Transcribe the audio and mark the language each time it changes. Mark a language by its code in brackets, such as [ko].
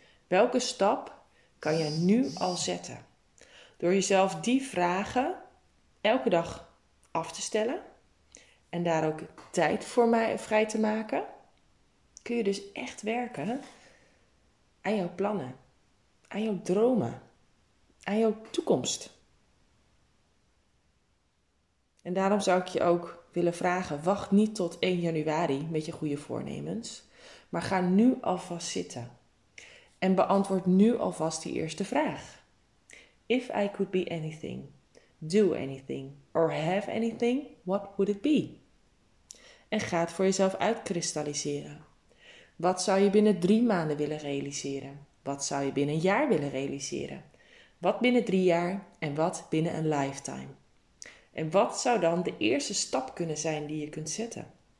[nl] Welke stap kan je nu al zetten? Door jezelf die vragen elke dag af te stellen en daar ook tijd voor mij vrij te maken, kun je dus echt werken aan jouw plannen, aan jouw dromen, aan jouw toekomst. En daarom zou ik je ook willen vragen, wacht niet tot 1 januari met je goede voornemens, maar ga nu alvast zitten en beantwoord nu alvast die eerste vraag. [en] If I could be anything, do anything or have anything, what would it be? [nl] En ga het voor jezelf uitkristalliseren. Wat zou je binnen 3 maanden willen realiseren? Wat zou je binnen 1 jaar willen realiseren? Wat binnen 3 jaar en wat binnen een lifetime? En wat zou dan de eerste stap kunnen zijn die je kunt zetten?